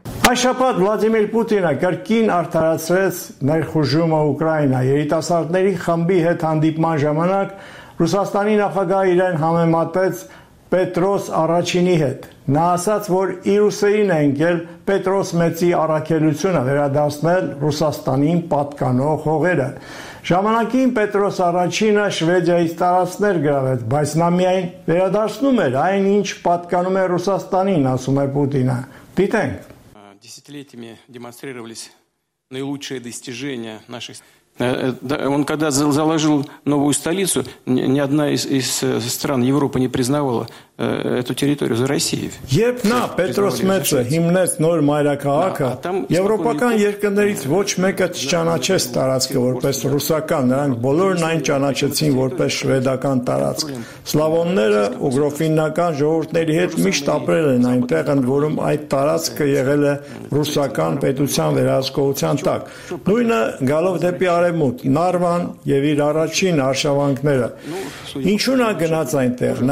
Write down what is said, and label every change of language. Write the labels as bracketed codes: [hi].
[hy] Այշապատ Վլադիմիր Պուտինը կրկին արդարացրեց ներխուժումը Ուկրաինա երիտասարդների խմբի հետ հանդիպման ժամանակ Ռուսաստանի նախագահը իրեն համեմատեց Պետրոս առաջինի հետ։ Նա ասաց, որ Իրուսեին է ընկել Պետրոս մեծի առաքելությունը վերադարձնել Ռուսաստանին պատկանող հողերը։ Ժամանակին Պետրոս առաջինը Շվեդիայից տարածքներ գրավեց, բայց նա միայն վերադարձնում էր այն, ինչ պատկանում է Ռուսաստանին, ասում է Պուտինը։ Դիտենք. [ru] Десятилетиями демонстрировались наилучшие достижения наших... Он когда заложил новую столицу, ни одна из стран Европы не признавала эту территорию за Россию. [hy] Երբ նա Պետրոս Մեծը հիմնեց նոր մայրաքաղաքը, եվրոպական երկրներից ոչ մեկը չճանաչեց տարածքը որպես ռուսական, նրանք բոլորն այն ճանաչեցին որպես շվեդական տարածք։ Սլավոնները ուգրոֆիննական ժողովրդների հետ միշտ ապրել են այնտեղ, ընդ որում այդ տարածքը եղել է ռուսական պետության վերահսկողության տակ։ Նույնը գալով դեպի արևմուտք, Նարվան եւ իր առաջին արշավանքները։ Ինչու նա գնաց այնտեղ?